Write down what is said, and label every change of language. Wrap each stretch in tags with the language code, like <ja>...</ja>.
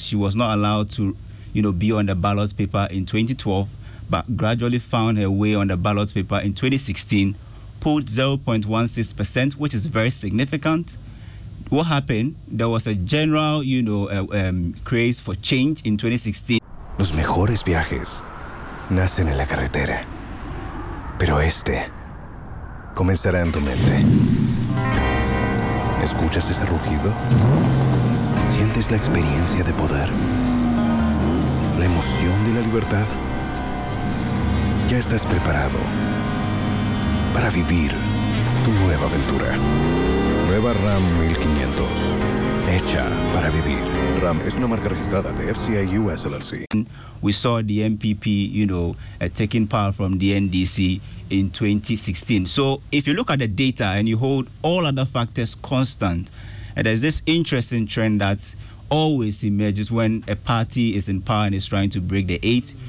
<en>She was not allowed to, you know, be on the ballot paper in 2012, but gradually found her way on the ballot paper in 2016, pulled 0.16%, which is very significant. What happened? There was a general, you know, craze for change in 2016.</en> <es>Los mejores viajes nacen en la carretera, pero este comenzará en tu mente. ¿Escuchas ese rugido? ¿Sientes la experiencia de poder? ¿La emoción de la libertad? Ya estás preparado para vivir tu nueva aventura. Nueva Ram 1500. Hecha para vivir. Ram es una marca registrada de FCA US LLC.</es> <en>We saw the MPP, you know, taking power from the NDC in 2016. So if you look at the data and you hold all other factors constant, there's this interesting trend that always emerges when a party is in power and is trying to break the eight.</en>